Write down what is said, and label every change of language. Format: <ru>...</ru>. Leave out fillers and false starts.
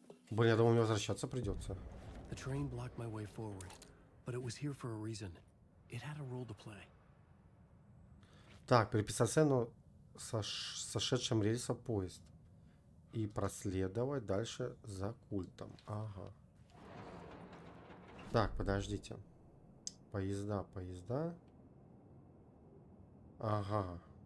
<ru>Блин, я думал, мне возвращаться придется.</ru> <en>The train blocked my way forward, but it was here for a reason. It had a role to play.</en> <ru>Так, переписать сцену сошедшим рельса поезд. И проследовать дальше за культом. Ага. Так, подождите. Поезда, поезда. Ага.</ru>